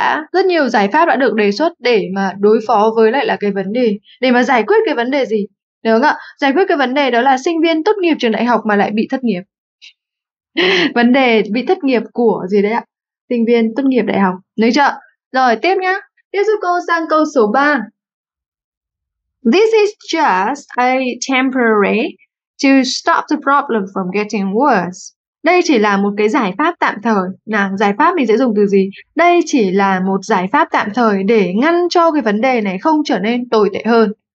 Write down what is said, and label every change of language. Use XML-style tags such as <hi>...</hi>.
<vi>Rất nhiều giải pháp đã được đề xuất để mà đối phó với lại là cái vấn đề, để mà giải quyết cái vấn đề gì? Được không ạ? Giải quyết cái vấn đề đó là sinh viên tốt nghiệp trường đại học mà lại bị thất nghiệp. Vấn đề bị thất nghiệp của gì đấy ạ? Sinh viên tốt nghiệp đại học. Được chưa? Rồi, tiếp nhá. Tiếp giúp cô sang câu số 3.</vi> <en>This is just a temporary to stop the problem from getting worse.</en> <vi>Đây chỉ là một cái giải pháp tạm thời. Nào, giải pháp mình sẽ dùng từ gì? Đây chỉ là một giải pháp tạm thời để ngăn cho cái vấn đề này không trở nên tồi tệ hơn.</vi>